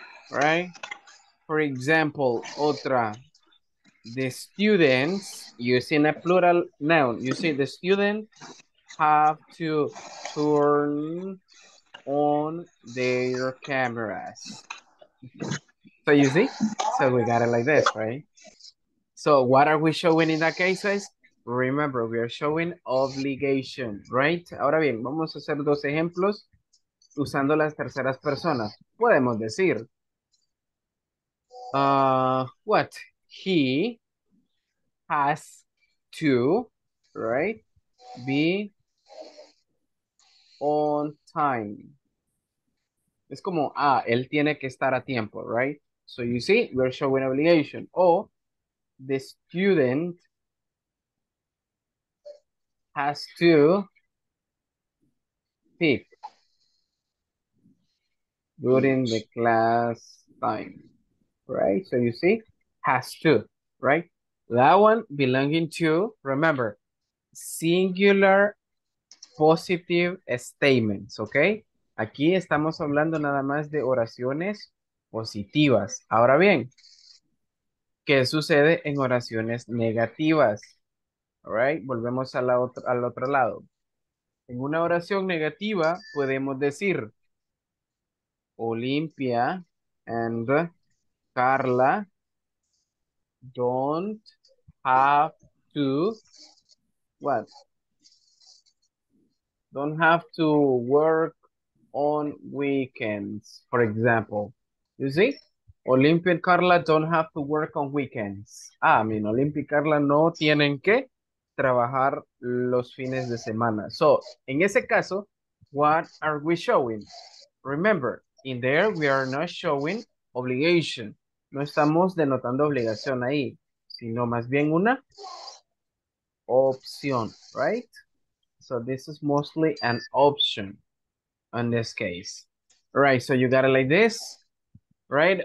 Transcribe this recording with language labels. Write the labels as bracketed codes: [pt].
[en] Right? For example, otra, the students, using a plural noun, you see the students have to turn on their cameras. So you see? So we got it like this, right? So what are we showing in that case? Remember, we are showing obligation, right? [es] Ahora bien, vamos a hacer dos ejemplos usando las terceras personas. Podemos decir, what? [en] He has to, right? Be on time. [es] Es como, él tiene que estar a tiempo, right? [en] So you see, we're showing obligation. Or, the student has to pick during the class time, right? So you see, has to, right? That one belonging to, remember, singular positive statements, okay? [es] Aquí estamos hablando nada más de oraciones positivas. Ahora bien, ¿qué sucede en oraciones negativas? [en] All right, [es] volvemos a al otro lado. En una oración negativa podemos decir Olimpia and Carla [en] don't have to, what? Don't have to work on weekends, for example. You see? Olympia and Carla don't have to work on weekends. Ah, I mean, [es] Olympia y Carla no tienen que trabajar los fines de semana. [en] So, [es] en ese caso, [en] what are we showing? Remember, in there, we are not showing obligation. [es] No estamos denotando obligación ahí, sino más bien una opción, right? [en] So this is mostly an option in this case. All right, so you got it like this, right?